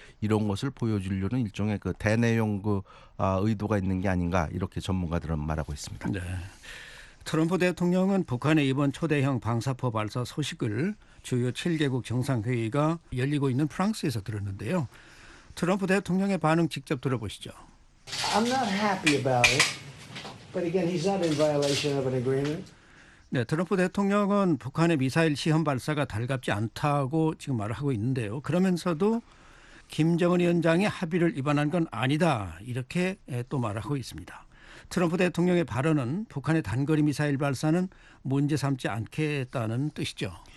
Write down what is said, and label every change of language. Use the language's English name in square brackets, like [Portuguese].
[Korean] 이런 것을 보여주려는 일종의 그 대내용 그 의도가 있는 게 아닌가 이렇게 전문가들은 말하고 있습니다. 네. 트럼프 대통령은 북한의 이번 초대형 방사포 발사 소식을 주요 7개국 정상회의가 열리고 있는 프랑스에서 들었는데요. 트럼프 대통령의 반응 직접 들어보시죠. [English] I'm not happy about it, but again, he's not in violation of an agreement. [Korean] 네, 트럼프 대통령은 북한의 미사일 시험 발사가 달갑지 않다고 지금 말을 하고 있는데요. 그러면서도 김정은 위원장의 합의를 위반한 건 아니다 이렇게 또 말하고 있습니다. 트럼프 대통령의 발언은 북한의 단거리 미사일 발사는 문제 삼지 않겠다는 뜻이죠.